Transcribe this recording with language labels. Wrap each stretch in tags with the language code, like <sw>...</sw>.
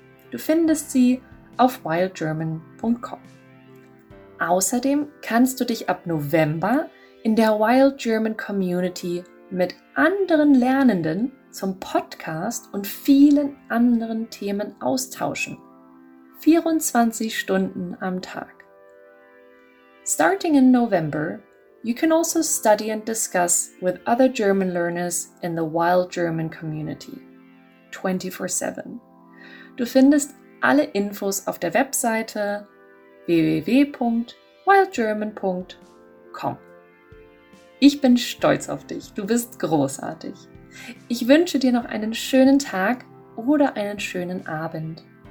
<de>Du findest sie auf wildgerman.com. Außerdem kannst du dich ab November in der Wild German Community mit anderen Lernenden zum Podcast und vielen anderen Themen austauschen. 24 Stunden am Tag.</de> <en>Starting in November, you can also study and discuss with other German learners in the Wild German Community. 24/7.</en> <de>Du findest alle Infos auf der Webseite www.wildgerman.com. Ich bin stolz auf dich. Du bist großartig. Ich wünsche dir noch einen schönen Tag oder einen schönen Abend.</de>